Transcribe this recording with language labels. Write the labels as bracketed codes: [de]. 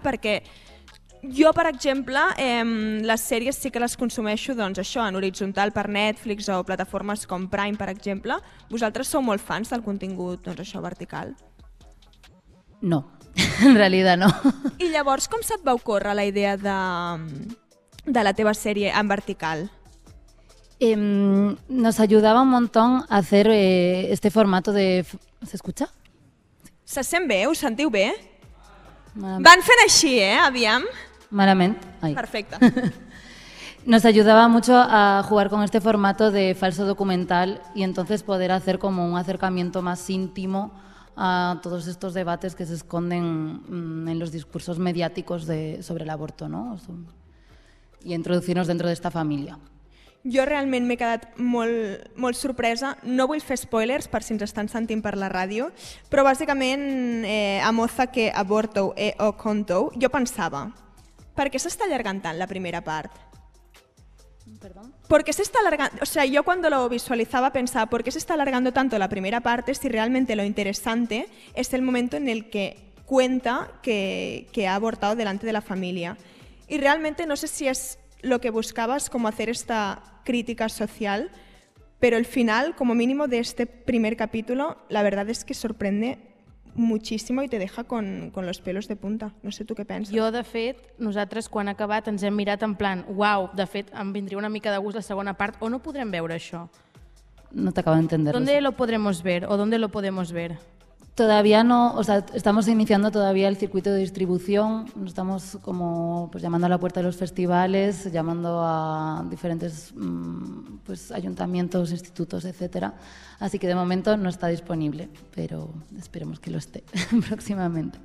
[ca] Perquè jo, per exemple, les sèries sí que les consumeixo doncs, això en horitzontal per Netflix o plataformes com Prime, per exemple. Vosaltres sou molt fans del contingut doncs, això vertical? No. En realitat no. I llavors com se't va ocórrer la idea de la teva sèrie en vertical? [es] Nos ayudaba un montón a hacer este formato de... ¿Se escucha? [ca] Se sent bé, ho sentiu bé? Malament. Van fent així, aviam. Malament. Ai. Perfecte. [es] Nos ayudaba mucho a jugar con este formato de falso documental y entonces poder hacer como un acercamiento más íntimo a todos estos debates que se esconden en los discursos mediáticos sobre el aborto, ¿no? Y introducirnos dentro de esta familia. [ca] Jo realment m'he quedat molt, molt sorpresa, no vull fer spoilers per si ens estan sentint per la ràdio, però bàsicament a moza que aborto e o conto, jo pensava, per què s'està allargant tant la primera part? [es] Perdón? Porque se está alargando, o sea, yo cuando lo visualizaba pensaba, ¿por qué se está alargando tanto la primera parte si realmente lo interesante es el momento en el que cuenta que ha abortado delante de la familia? Y realmente no sé si es lo que buscabas como hacer esta crítica social, pero el final, como mínimo de este primer capítulo, la verdad es que sorprende muchísimo y te deja con los pelos de punta. [ca] No sé tu què penses. Jo, de fet, nosaltres quan ha acabat ens hem mirat en plan, uau, de fet, em vindria una mica de gust la segona part, o no podrem veure això? No t'acabo d'entendre. [es] ¿Dónde lo podremos ver? ¿O dónde lo podemos ver? Todavía no, o sea, estamos iniciando todavía el circuito de distribución, estamos como pues llamando a la puerta de los festivales, llamando a diferentes pues ayuntamientos, institutos, etcétera. Así que de momento no está disponible, pero esperemos que lo esté próximamente.